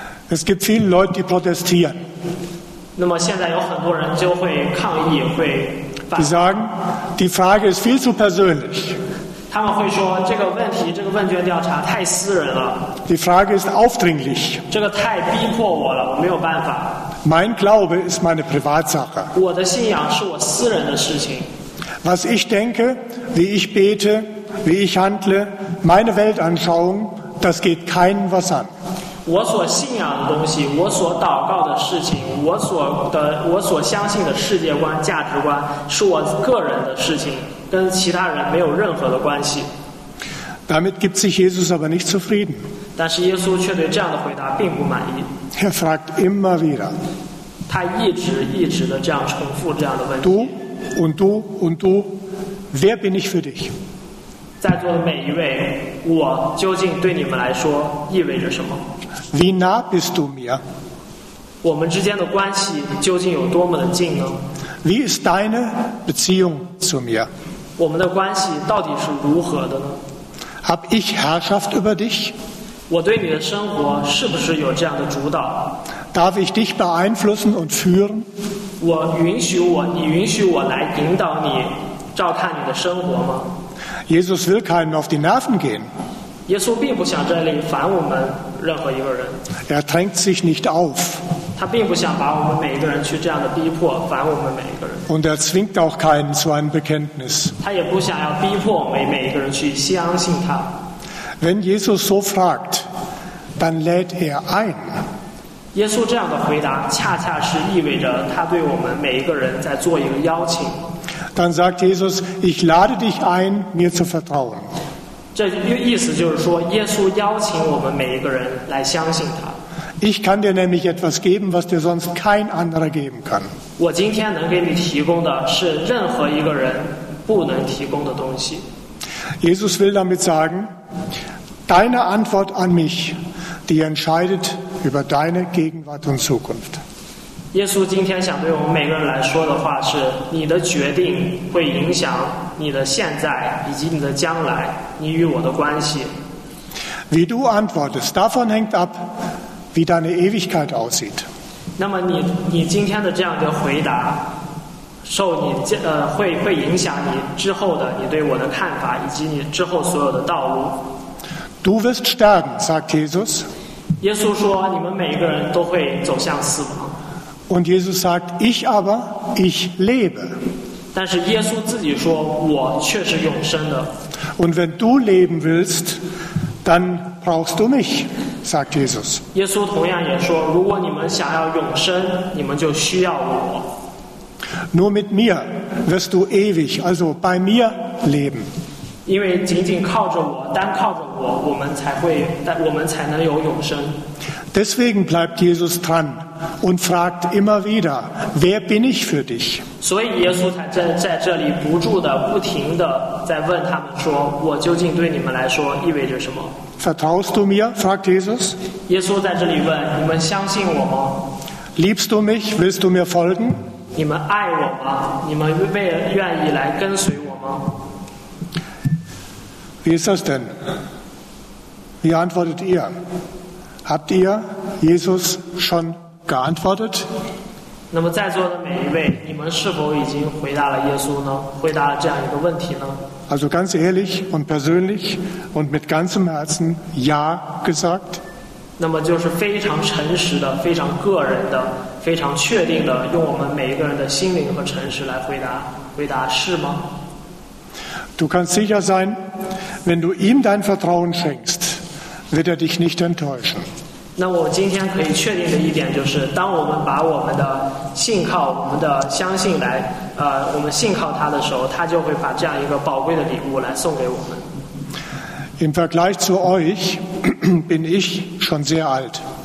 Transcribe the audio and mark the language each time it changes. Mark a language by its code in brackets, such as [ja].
[de] Es gibt viele Leute, die protestieren. [zh] 那么现在有很多人就会抗议，会反。 [de] Die sagen, die Frage ist viel zu persönlich. [zh] 他们会说这个问题，这个问卷调查太私人了。 [de] Die Frage ist aufdringlich. [zh] 这个太逼迫我了，我没有办法。 [de] Mein Glaube ist meine Privatsache. [zh] 我的信仰是我私人的事情。 [de] Was ich denke, wie ich bete, wie ich handle, meine Weltanschauung, das geht keinem was an. [zh] 我所信仰的东西，我所祷告的事情，我所相信的世界观、价值观，是我个人的事情，跟其他人没有任何的关系。 [de] Damit gibt sich Jesus aber nicht zufrieden. [zh] 但是耶稣却对这样的回答并不满意。 [de] Er fragt immer wieder. [zh] 他一直的这样重复这样的问题。 [de] Du und du und du, wer bin ich für dich? [zh] 在座的每一位，我究竟对你们来说意味着什么？ [de] Wie nah bist du mir? [zh] 我们之间的关系究竟有多么的近呢？ [de] Wie ist deine Beziehung zu mir? [zh] 我们的关系到底是如何的呢？ [de] Hab ich Herrschaft über dich? [zh] 我对你的生活是不是有这样的主导？ [de] Darf ich dich beeinflussen und führen? [zh] 你允许我来引导你，照看你的生活吗？ [de] Jesus will keinen auf die Nerven gehen. [zh] 耶稣并不想这里烦我们。 [de] Er drängt sich nicht auf. [zh] 他并不想把我们每一个人去这样的逼迫，烦我们每一个人。 [de] Und er zwingt auch keinen zu einem Bekenntnis. [zh] 他也不想要逼迫每一个人去相信他。 [de] Wenn Jesus so fragt, dann lädt er ein. [zh] 耶稣这样的回答恰恰是意味着他对我们每一个人在做一个邀请。 [de] Dann sagt Jesus, ich lade dich ein, mir zu vertrauen. [zh] 这意思就是说耶稣邀请我们每一个人来相信他。 [de] Ich kann dir nämlich etwas geben, was dir sonst kein anderer geben kann. [zh] 我今天能给你提供的是任何一个人不能提供的东西。 [de] Jesus will damit sagen, deine Antwort an mich, die entscheidet über deine Gegenwart und Zukunft. [zh] 耶稣今天想对我们每个人来说的话是，你的决定会影响你的现在以及你的将来，你与我的关系。 [de] Wie du antwortest, davon hängt ab, wie deine Ewigkeit aussieht. [zh] 那么你今天的这样的回答。受你会影响你之后的你对我的看法以及你之后所有的道路。 [de] Du wirst sterben, sagt Jesus. [zh] 耶稣说你们每一个人都会走向死亡。 [de] Und Jesus sagt, ich aber, ich lebe. [zh] 但是耶稣自己说我却是永生的。 [de] Und wenn du leben willst, dann brauchst du mich, sagt Jesus. [zh] 耶稣同样也说如果你们想要永生你们就需要我。 [de] Nur mit mir wirst du ewig, also bei mir leben. [zh] 因为仅仅靠着我，单靠着我，我们才能有永生。 [de] Deswegen bleibt Jesus dran und fragt immer wieder, wer bin ich für dich? [zh] 所以耶稣才在这里不住的、不停的在问他们说，我究竟对你们来说意味着什么？ [de] Vertraust du mir? Fragt Jesus. [zh] 耶稣在这里问，你们相信我吗？ [de] Liebst du mich? Willst du mir folgen? [zh] 你们爱我吗？你们愿意来跟随我吗？ [de] Wie ist das denn? Wie antwortet ihr? Habt ihr Jesus schon geantwortet? [zh] 那么在座的每一位，你们是否已经回答了耶稣呢？回答了这样一个问题呢？ [de] Also ganz ehrlich und persönlich und mit ganzem Herzen ja gesagt? [zh] 那么就是非常诚实的，非常个人的。非常确定的用我们每一个人的心灵和诚实来回答是吗？ [de] Du kannst sicher sein, wenn du ihm dein Vertrauen schenkst, wird dich nicht enttäuschen. [zh] 那我今天可以确定的一点就是，当我们把我们的信靠、我们的相信来，我们信靠他的时候，他就会把这样一个宝贵的礼物来送给我们。 [de] Im Vergleich zu euch bin ich schon sehr alt.